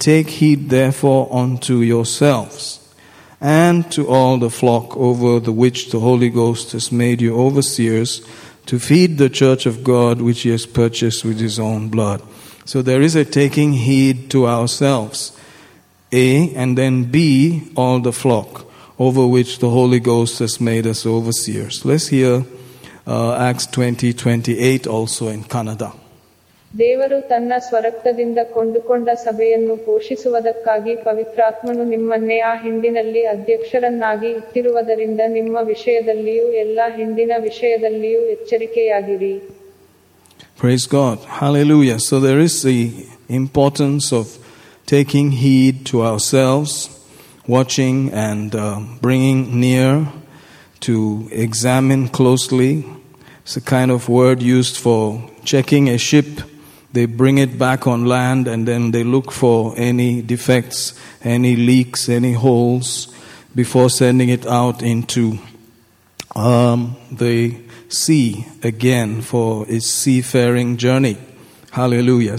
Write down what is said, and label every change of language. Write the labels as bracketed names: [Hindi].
[English] Take heed therefore unto yourselves and to all the flock over the which the Holy Ghost has made you overseers, to feed the church of God which he has purchased with his own blood. So there is a taking heed to ourselves, A, and then B, all the flock over which the Holy Ghost has made us overseers. Let's hear Acts 20, 28 also in Kannada. [Kannada] ದೇವರು ತನ್ನ ಸ್ವರಕ್ತದಿಂದ ಕೊಂಡುಕೊಂಡ ಸಭೆಯನ್ನು ಪೋಷಿಸುವುದಕ್ಕಾಗಿ ಪವಿತ್ರಾತ್ಮನು ನಿಮ್ಮನ್ನೇ ಆ ಹಿಂದಿನಲ್ಲಿ ಅಧ್ಯಕ್ಷರನ್ನಾಗಿ ಇಟ್ಟಿರುವುದರಿಂದ ನಿಮ್ಮ ವಿಷಯದಲ್ಲಿಯೂ ಎಲ್ಲ ಹಿಂದಿನ ವಿಷಯದಲ್ಲಿಯೂ ಎಚ್ಚರಿಕೆಯಾಗಿರಿ. [English] Praise God. Hallelujah. So there is the importance of taking heed to ourselves, watching and bringing near to examine closely. It's a kind of word used for checking a ship. They bring it back on land and then they look for any defects, any leaks, any holes before sending it out into the sea again for its seafaring journey. Hallelujah.